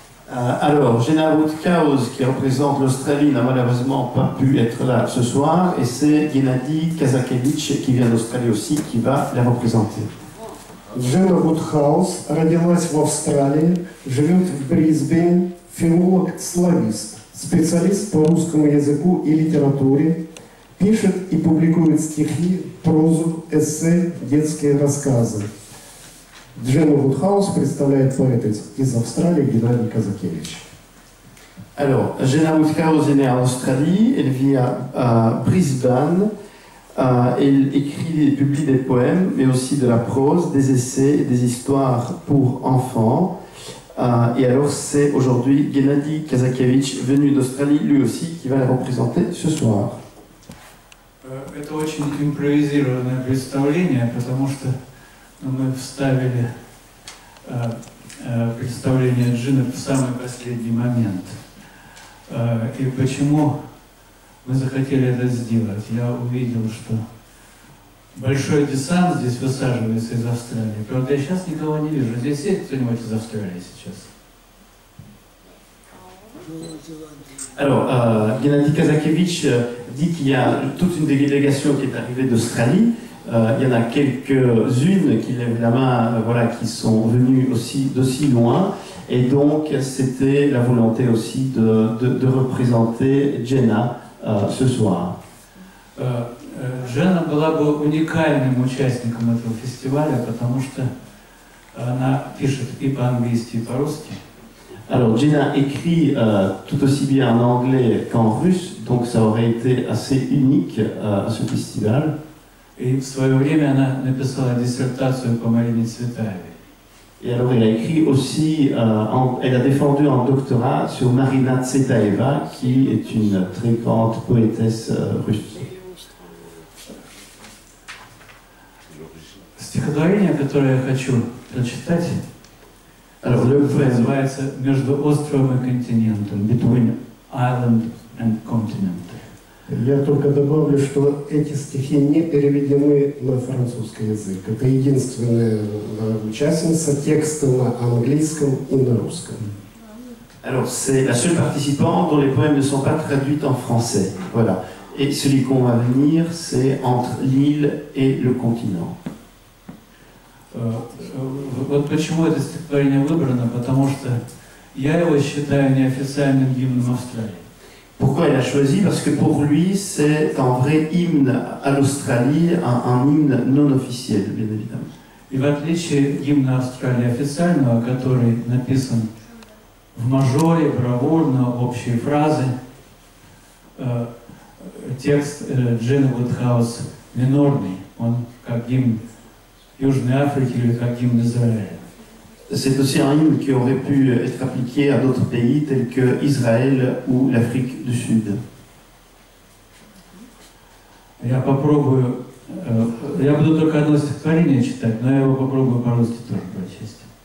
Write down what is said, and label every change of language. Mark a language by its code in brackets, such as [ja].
[fr] Alors, Jenna Woodhouse, qui représente l'Australie, n'a malheureusement pas pu être là ce soir, et c'est Gennady Kazakevitch, qui vient d'Australie aussi, qui va la représenter. [ru] Джина Вудхаус родилась в Австралии, живет в Брисбене, филолог-словист, специалист по русскому языку и литературе, пишет и публикует стихи, прозу, эссе, детские рассказы. Джина Вудхаус представляет поэт из Австралии Геннадий Казакевич. [fr] Alors, Jenna Woodhouse est née en Australie, elle vit à Brisbane. Elle écrit et publie des poèmes, mais aussi de la prose, des essais, des histoires pour enfants. Et alors, c'est aujourd'hui Gennady Kazakevitch, venu d'Australie, lui aussi, qui va la représenter ce soir. [ru] Это очень импровизированное представление, потому что мы вставили представление Джины в самый последний момент. И почему мы захотели это сделать? Я увидел, что большой десант здесь высаживается из Австралии. Правда, я сейчас никого не вижу. Здесь есть кто-нибудь из Австралии сейчас? [fr] Alors, Геннадий Казакевич dit qu'il y a toute une délégation qui est arrivée d'Australie. Il y en a quelques-unes qui lèvent la main, voilà, qui sont venues aussi d'aussi loin. Et donc, c'était la volonté aussi de représenter Jenna ce soir. [ru] Jenna была бы уникальным участником этого фестиваля, потому что она пишет и по-английски, и по-русски. [fr] Alors, Jenna écrit tout aussi bien en anglais qu'en russe, donc ça aurait été assez unique à ce festival. Et [ru] в свое время она написала диссертацию по Марине Цветаевой. [fr] Et alors, elle a écrit aussi, elle a défendu un doctorat sur Marina Tsvetaeva, qui est une très grande poétesse russe. [ru] Стихотворение, которое я хочу прочитать. [fr] Alors, le poème [ru] называется «Между островом и континентом», [en] «Between Island and Continent». [ru] Я только добавлю, что эти стихи не переведены на французский язык. Это единственная участница текста на английском и на русском. [fr] Alors, c'est la seule participante dont les poèmes ne sont pas traduits en français. Voilà. Et celui qu'on va venir, c'est «Entre l'île et le continent». [ru] Вот почему это стихотворение выбрано, потому что я его считаю неофициальным гимном Австралии. [fr] Pourquoi il a choisi? Parce que pour lui, c'est un vrai hymne à l'Australie, un hymne non officiel, bien évidemment. [ru] И в отличие гимна Австралии официального, который написан в мажоре, бравурно, общие фразы, текст Джины Вудхаус минорный, он как гимн Южной Африки или как гимн Израиля. [fr] C'est aussi un hymne qui aurait pu être appliqué à d'autres pays tels que Israël ou l'Afrique du Sud. [ru] Я попробую, я буду только одно стихотворение читать, но я его попробую по-русски тоже прочесть.